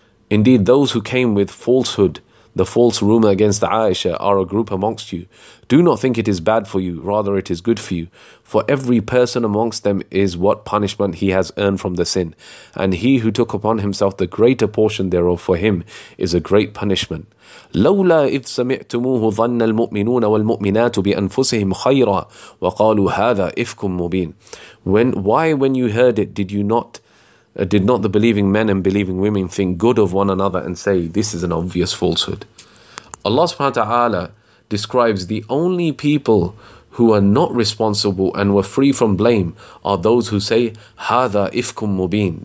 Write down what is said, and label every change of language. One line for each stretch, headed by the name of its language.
English: Indeed, those who came with falsehood, the false rumor against Aisha, are a group amongst you. Do not think it is bad for you, rather it is good for you. For every person amongst them is what punishment he has earned from the sin. And he who took upon himself the greater portion thereof for him is a great punishment.
Arabic: لولا إذ سمعتموه ظن المؤمنون والمؤمنات بأنفسهم خيرا وقالوا هذا إفك مبين.
English: Why when you heard it did not the believing men and believing women think good of one another and say, this is an obvious falsehood? Allah subhanahu wa ta'ala describes the only people who are not responsible and were free from blame are those who say,
Arabic: هَذَا إِفْكُمْ مُبِينَ.